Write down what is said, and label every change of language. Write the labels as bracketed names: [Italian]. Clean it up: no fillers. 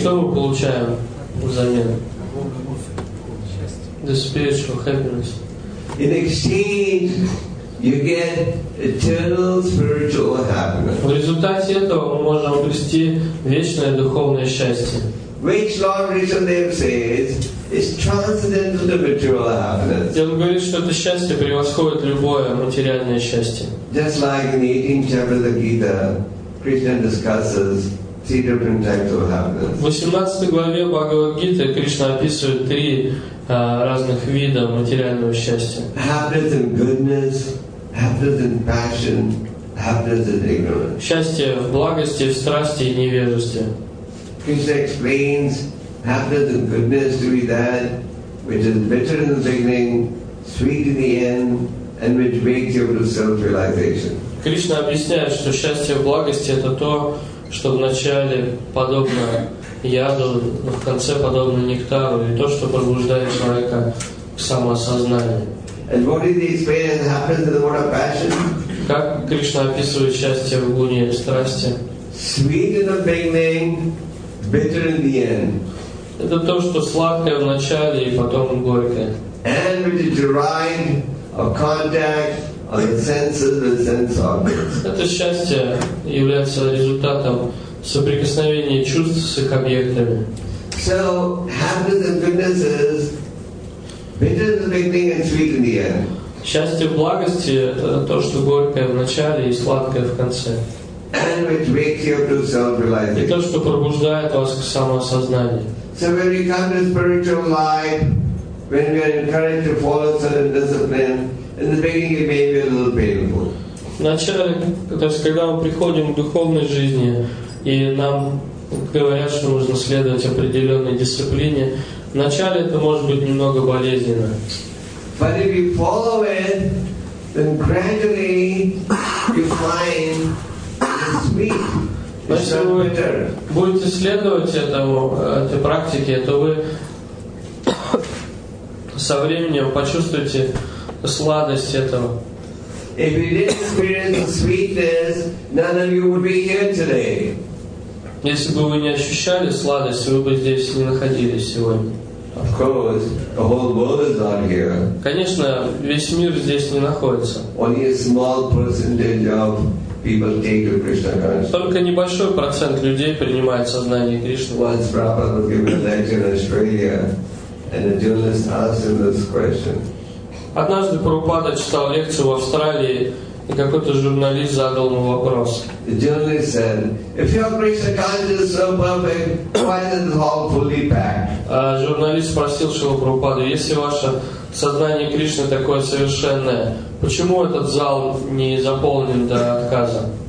[Russian] Что мы получаем взамен? Счастье. [English] The spiritual happiness. In exchange, you get eternal spiritual happiness. [Russian] В результате этого мы можем обрести вечное духовное счастье. [English] Which Lord Rishabdev says is transcendental to material happiness. [Russian] И он говорит, что это счастье превосходит любое материальное счастье. [English] Just like in the 18th chapter of the Gita, Krishna discusses three different types of happiness. [Russian] В 18 главе Бхагавад-гиты Кришна описывает три разных вида материального счастья. [English] Happiness in goodness, happiness in passion, happiness in ignorance. [Russian] Счастье в благости, в страсти и невежестве. [English] Krishna explains happiness and goodness to be that which is bitter in the beginning, sweet in the end, and which makes you to self-realization. [Russian] Кришна объясняет, что счастье в благости это то, что в начале подобно яду, в конце подобно нектару, и то, что пробуждает человека к самоосознанию. [English] And what is the experience that happens in the mode of passion? [Russian] Как Кришна описывает счастье в гуне страсти? [English] Sweet in the beginning, bitter in the end. [Russian] Это то, что сладкое в начале и потом горькое. [English] And which is derived of contact of the senses and sense objects. [Russian] Это счастье является результатом соприкосновение чувств с их объектами. [English] So, happiness and goodness is bitter in the beginning and sweet in the end. [Russian] Счастье в благости — это то, что горькое в начале и сладкое в конце. [English] And which makes you to self-realization. [Russian] И то, что пробуждает вас к самоосознанию. [English] So when we come to spiritual life, when we are encouraged to follow certain discipline, in the beginning it may be a little painful. [Russian] Вначале, то есть когда мы приходим к духовной жизни, и нам говорят, что нужно следовать определенной дисциплине. Вначале это может быть немного болезненно. [English] But if you follow it, then gradually you find it's sweet. [Russian] Но если вы будете следовать этой практике, то вы со временем почувствуете сладость этого. [English] If you didn't experience the sweetness, none of you would be here today. [Russian] Если бы вы не ощущали сладость, вы бы здесь не находились сегодня. [English] Of course, the whole world is not here. [Russian] Конечно, весь мир здесь не находится. [English] Only a small percentage of people take to Krishna consciousness. [Russian] Только небольшой процент людей принимает сознание Кришны. [English] Once Prabhupada was giving a lecture in Australia, and a journalist asked him this question. [Russian] Однажды Прабхупада читал лекцию в Австралии, и какой-то журналист задал ему вопрос. [English] The journalist said, "If your Krishna consciousness is so perfect, why is it all fully packed?" [Russian] Журналист спросил Шрилу Прабхупаду, если ваше сознание Кришны такое совершенное, почему этот зал не заполнен до отказа?